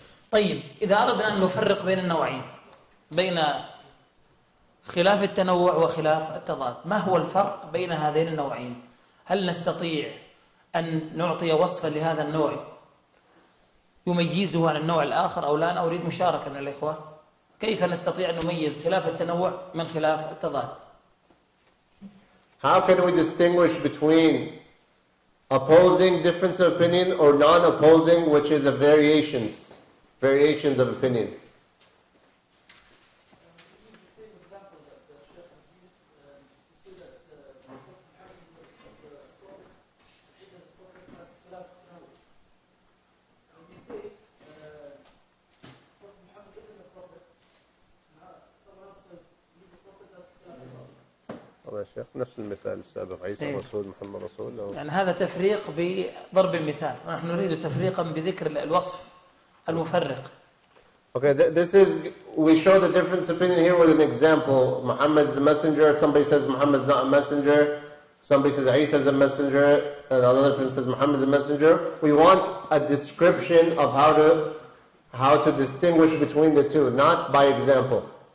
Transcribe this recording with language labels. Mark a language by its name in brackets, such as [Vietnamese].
[Arabic] طيب إذا أردنا أن نفرق بين النوعين، بين خلاف التنوع وخلاف التضاد، ما هو الفرق بين هذين النوعين؟ هل نستطيع أن نعطي وصفا لهذا النوع يميزه عن النوع الآخر أو لا؟ أنا أريد مشاركة من الإخوة، كيف نستطيع أن نميز خلاف التنوع من خلاف التضاد؟ [English] How can we distinguish between opposing difference of opinion or non-opposing, which is a variations of opinion? [Arabic] نفس المثال السابق عيسى إيه. رسول محمد رسول يعني هذا تفريق بضرب المثال، نحن نريد تفريقا بذكر الوصف المفرق. [English] Okay, this is we show the difference of opinion here with an example. Muhammad is a messenger. Somebody says Muhammad is not a messenger. Somebody says Isa is a messenger. And another person says Muhammad is a messenger. We want a description of how to distinguish between the two, not by example.